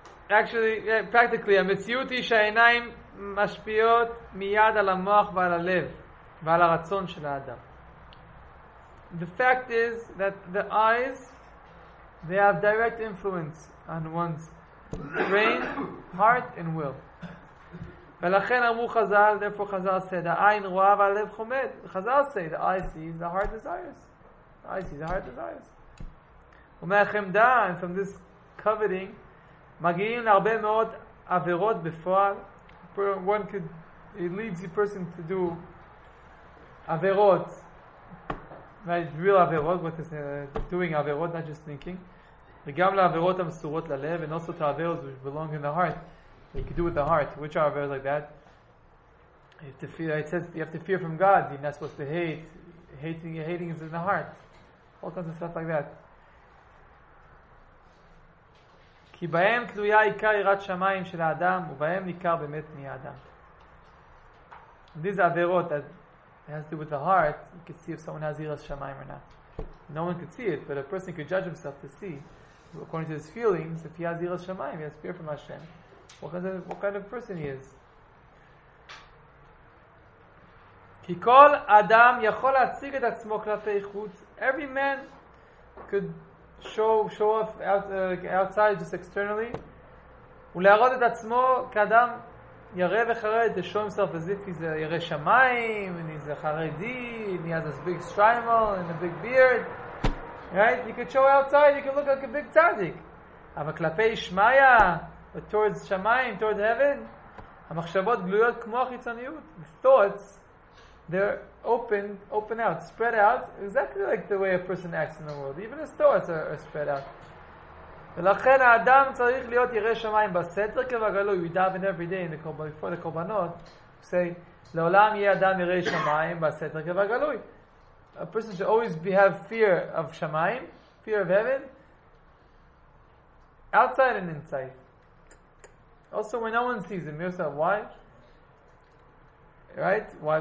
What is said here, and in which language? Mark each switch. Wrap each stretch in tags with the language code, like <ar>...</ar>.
<en>Actually, yeah, practically,</en> <he>המציאות היא שהעיניים משפיעות מיד על המוח ועל הלב ועל הרצון של האדם.</he> <en>The fact is that the eyes, they have direct influence on one's brain, heart, and will.</en> <he>ולכן אמרו חזל, איפה חזל עשה?</he> <en>The eye</en> <he>רואה והלב חומד. חזל עשה,</he> <en>the eye sees, the heart desires. The eye sees, the heart desires.</en> <he>ומהחמדה,</he> <en>and from this coveting,</en> <he>מגיעים להרבה מאוד עבירות בפועל.</he> <en>One could, it leads the person to do עבירות. Right, real עבירות, what is doing עבירות, not just thinking.</en> <he>וגם לעבירות המסורות ללב,</he> <en>and also to עבירות which belong in the heart. You could do with the heart. Which are affairs like that? You have to fear. It says you have to fear from God. You're not supposed to hate. Hating is in the heart. All kinds of stuff like that.</en> <he>כי בהם תלויה עיקר יראת שמיים של האדם, ובהם ניכר באמת מי האדם.</he> <en>These affairs that has to do with the heart. You could see if someone has yiras shamayim or not. No one could see it, but a person could judge himself to see, according to his feelings, if he has yiras shamayim, he has fear from Hashem. What kind of person he is.</en> <he>כי כל אדם יכול להציג את עצמו כלפי חוץ.</he> <en>Every man could show off outside, just externally,</en> <he>ולהראות את עצמו כאדם ירא וחרד,</he> <en>to show himself as if he's a ירא שמיים, and he's a חרדי, and he has this big shrimal and a big beard. Right? You could show outside, you could look like a big tzaddik.</en> <he>אבל כלפי שמיה,</he> <en>but towards Shamayim, towards heaven,</en> <he>המחשבות גלויות כמו החיצוניות.</he> <en>The thoughts, they're open out, spread out, exactly like the way a person acts in the world. Even his thoughts are spread out.</en> <he>ולכן האדם צריך להיות ירא שמיים בסתר כבגלוי.</he> <en>We dive in every day in before the קורבנות, say,</en> <he>לעולם יהיה אדם ירא שמיים בסתר כבגלוי.</he> <en>A person should always have fear of Shamayim, fear of heaven, outside and inside. Also, when no one sees him, yourself, why? Right? Why?</en>